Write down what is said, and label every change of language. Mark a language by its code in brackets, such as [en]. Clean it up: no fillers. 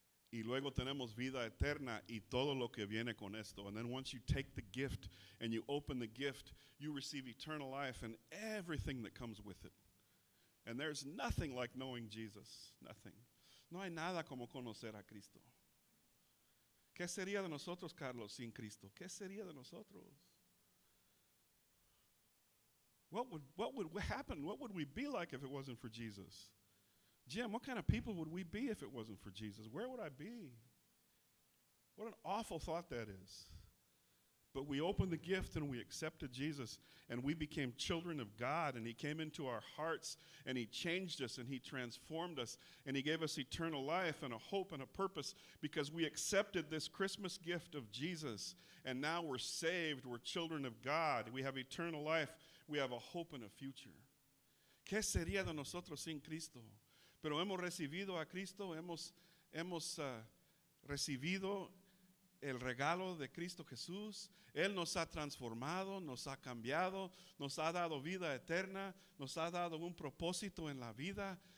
[es] Y luego tenemos vida eterna y todo lo que viene con esto. [en] And then once you take the gift and you open the gift, you receive eternal life and everything that comes with it. And there's nothing like knowing Jesus. Nothing. [es] No hay nada como conocer a Cristo. ¿Qué sería de nosotros, Carlos, sin Cristo? ¿Qué sería de nosotros? [en] What would happen? What would we be like if it wasn't for Jesus? Jim, what kind of people would we be if it wasn't for Jesus? Where would I be? What an awful thought that is. But we opened the gift and we accepted Jesus and we became children of God and he came into our hearts and he changed us and he transformed us and he gave us eternal life and a hope and a purpose because we accepted this Christmas gift of Jesus and now we're saved, we're children of God, we have eternal life, we have a hope and a future. [es] ¿Qué sería de nosotros sin Cristo? Pero hemos recibido a Cristo, hemos recibido el regalo de Cristo Jesús. Él nos ha transformado, nos ha cambiado, nos ha dado vida eterna, nos ha dado un propósito en la vida.